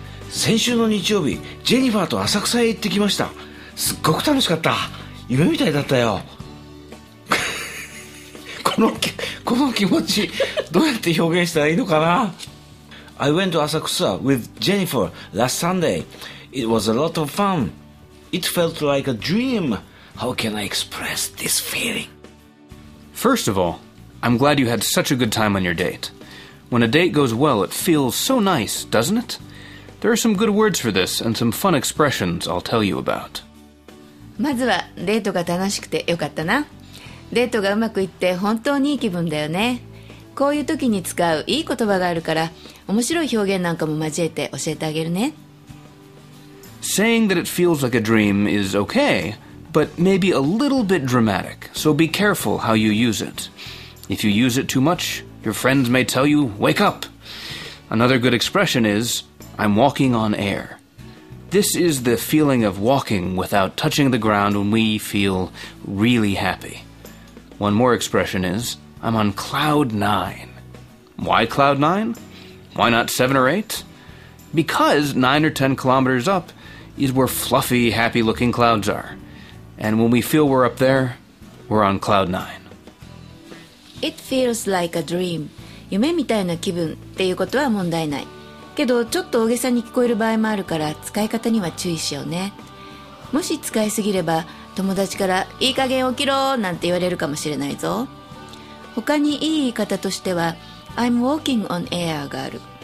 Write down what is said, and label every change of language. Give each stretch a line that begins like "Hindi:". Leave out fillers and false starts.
Japanese: 先週の日曜日、ジェニファーと浅草へ行ってきました。すっごく楽しかった。夢みたいだったよ。この気持ち、どうやって表現したらいいのかな。
English: I went to 浅草 with Jennifer last Sunday. It was a lot of fun. It felt like a dream. How can I express this feeling? First of all, I'm glad you had such a good time on your date. When a date goes well, it feels so nice, doesn't it? There are some good words for this and some fun expressions I'll tell you about.
Japanese: まずはデートが楽しくてよかったな。デートがうまくいって本当にいい気分だよね。こういう時に使ういい言葉があるから、面白い表現なんかも交えて教えてあげるね。
English: Saying that it feels like a dream is okay, but maybe a little bit dramatic, so be careful how you use it. If you use it too much, your friends may tell you, wake up! Another good expression is... I'm walking on air. This is the feeling of walking without touching the ground when we feel really happy. One more expression is, I'm on cloud nine. Why cloud nine? Why not seven or eight? Because 9 or 10 kilometers up is where fluffy, happy-looking clouds are. And when we feel we're up there, we're on cloud nine. It feels like a dream.
Japanese: 夢みたいな気分っていうことは問題ない。けどちょっと大げさに聞こえる場合もあるから使い方には注意しようね。もし使いすぎれば友達からいい加減起きろなんて言われるかもしれないぞ。他にいい言い方としては
English: I'm walking on air
Japanese: がある。